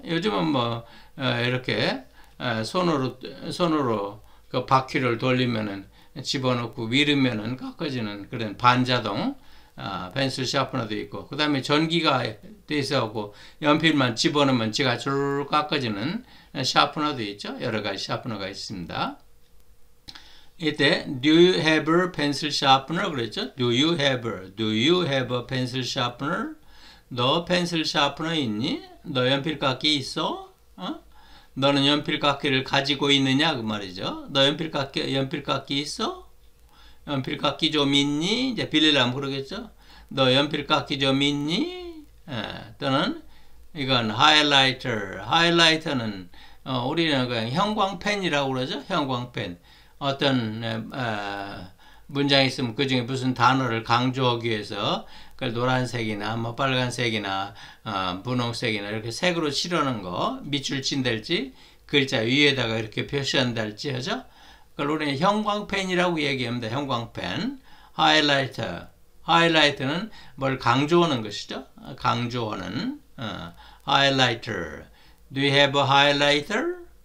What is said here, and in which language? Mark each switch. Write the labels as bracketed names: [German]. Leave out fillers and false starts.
[Korean] 요즘은 뭐 이렇게 손으로 그 바퀴를 돌리면은 집어넣고 밀으면은 깎아지는 그런 반자동 펜슬 샤프너도 있고 그 다음에 전기가 돼서고 연필만 집어넣으면 지가 줄 깎아지는 샤프너도 있죠. 여러 가지 샤프너가 있습니다. 이때 [English] Do you have a pencil sharpener? [Korean] 그랬죠? [English] Do you have a pencil sharpener? [Korean] 너 펜슬 샤프너 있니? 너 연필깎이 있어? 너는 연필깎이를 가지고 있느냐 그 말이죠. 너 연필깎이 있어? 연필깎이 좀 있니? 이제 빌리라면 그러겠죠. 너 연필깎이 좀 있니? 또는 이건 하이라이터. 하이라이터는 우리는 그냥 형광펜이라고 그러죠. 형광펜. 어떤 문장이 있으면 그중에 무슨 단어를 강조하기 위해서 그걸 노란색이나 뭐 빨간색이나 분홍색이나 이렇게 색으로 칠하는 거 밑줄 친달지 글자 위에다가 이렇게 표시한달지 하죠. 그걸 우리는 형광펜이라고 얘기합니다. 형광펜. 하이라이터. 하이라이터는 뭘 강조하는 것이죠. 강조하는 하이라이터. [English] Do you have a highlighter?